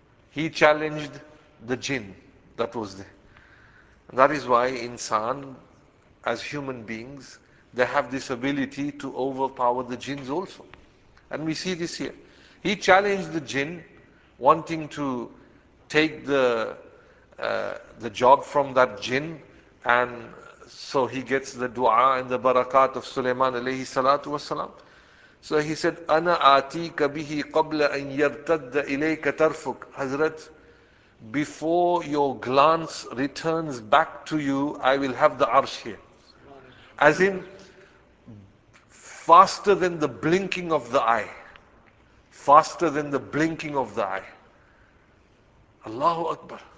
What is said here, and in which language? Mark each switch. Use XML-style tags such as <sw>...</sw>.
<en>He challenged the jinn that was there. And that is why insan, as human beings, they have this ability to overpower the jinns also. And we see this here. He challenged the jinn, wanting to take the job from that jinn, and so he gets the dua and the barakat of Sulaiman alayhi salatu wasalam. So he said,</en> <ar>أَنَا آتِيكَ بِهِ قَبْلَ أَنْ يَرْتَدَّ إِلَيْكَ تَرْفُكَ.</ar> <en>Hazrat, before your glance returns back to you, I will have the arsh here. As in, faster than the blinking of the eye. Faster than the blinking of the eye. Allahu Akbar.</en>